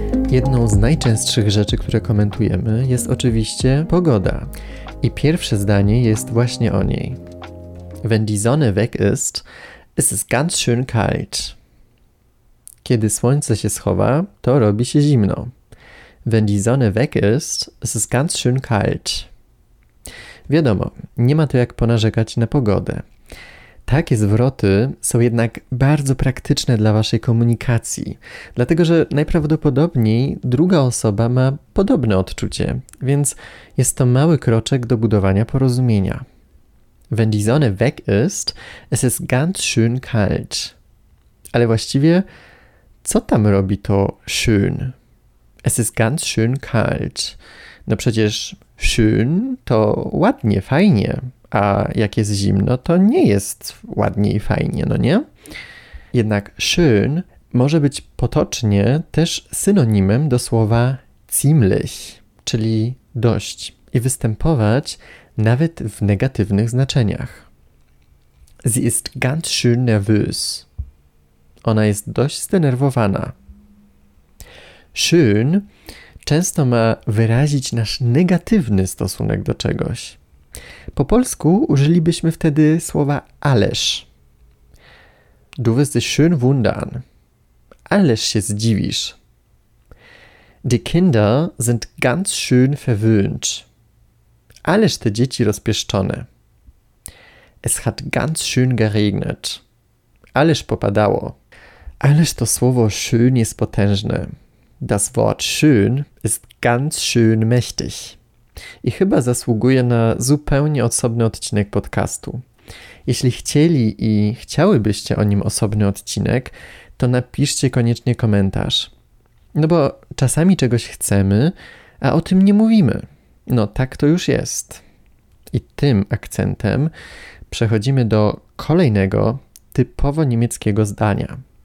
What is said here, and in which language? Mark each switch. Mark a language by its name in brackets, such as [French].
[Polish] Jedną z najczęstszych rzeczy, które komentujemy, jest oczywiście pogoda. I pierwsze zdanie jest właśnie o niej. [German] Wenn die Sonne weg ist, es ist ganz schön kalt. [Polish] Kiedy słońce się schowa, to robi się zimno. [German] Wenn die Sonne weg ist, es ist ganz schön kalt. [Polish] Wiadomo, nie ma to jak ponarzekać na pogodę. Takie zwroty są jednak bardzo praktyczne dla Waszej komunikacji, dlatego że najprawdopodobniej druga osoba ma podobne odczucie, więc jest to mały kroczek do budowania porozumienia. [German] Wenn die Sonne weg ist, es ist ganz schön kalt. [Polish] Ale właściwie, co tam robi to schön? [German] Es ist ganz schön kalt. [Polish] No przecież schön to ładnie, fajnie. A jak jest zimno, to nie jest ładnie i fajnie, no nie? Jednak schön może być potocznie też synonimem do słowa ziemlich, czyli dość, i występować nawet w negatywnych znaczeniach. [German] Sie ist ganz schön nervös. [Polish] Ona jest dość zdenerwowana. Schön często ma wyrazić nasz negatywny stosunek do czegoś. Po polsku użylibyśmy wtedy słowa ależ. [German] Du wirst dich schön wundern. [Polish] Ależ się zdziwisz. [German] Die Kinder sind ganz schön verwöhnt. [Polish] Ależ te dzieci rozpieszczone. [German] Es hat ganz schön geregnet. [Polish] Ależ popadało. Ależ to słowo schön jest potężne. [German] Das Wort schön ist ganz schön mächtig. [Polish] I chyba zasługuje na zupełnie osobny odcinek podcastu. Jeśli chcieli i chciałybyście o nim osobny odcinek, to napiszcie koniecznie komentarz. No bo czasami czegoś chcemy, a o tym nie mówimy. No tak to już jest. I tym akcentem przechodzimy do kolejnego typowo niemieckiego zdania.